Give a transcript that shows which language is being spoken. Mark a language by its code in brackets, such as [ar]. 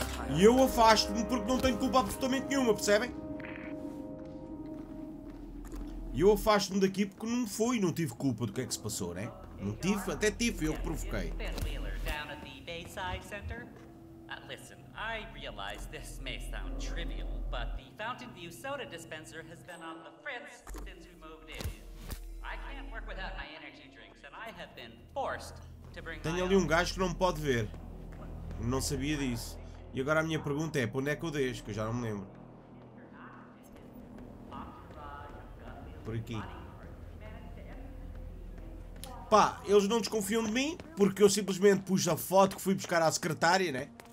[pt] E eu afasto-me porque não tenho culpa absolutamente nenhuma, percebem? E eu afasto-me daqui porque não foi, não tive culpa do que é que se passou, né? Não tive, até tive, eu que provoquei. [en] Ben Wheeler, down at the Bayside Center. Listen, I realize this may sound trivial, but the Fountain View soda dispenser has been on the fritz since we moved in. I can't work without my energy drinks, and I have been forced to bring. [pt] Tenho ali um gajo que não me pode ver. Não sabia disso. E agora a minha pergunta é, para onde é que eu deixo? Que eu já não me lembro. Por aqui. Pá, eles não desconfiam de mim, porque eu simplesmente pus a foto que fui buscar à secretária, né?